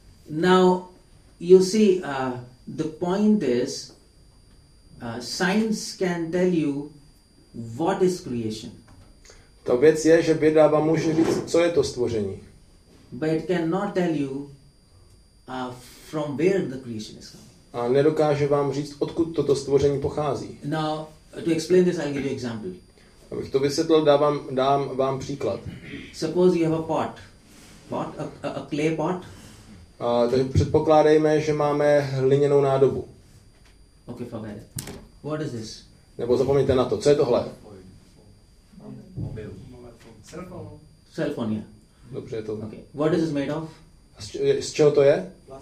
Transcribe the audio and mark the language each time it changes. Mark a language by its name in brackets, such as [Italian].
[English] Now, you see, the point is, science can tell you what is creation. [Czech] To věc je, že věda vám může říct, co je to stvoření. [English] But it cannot tell you from where the creation is coming. [Czech] A nedokáže vám říct, odkud toto stvoření pochází. [English] Now, to explain this, I'll give you an example. [Czech] Abych to vysvětlil, dám vám příklad. [English] Suppose you have a pot, a clay pot. [Czech] Takže předpokládejme, že máme hliněnou nádobu. [English] Okay, forget it. What is this? [Czech] Nebo zapomeňte na to, co je tohle? [English] Cellphone, yeah. [Czech] Dobře, je to. [English] Okay. What is this made of? [Czech] Z čeho to je?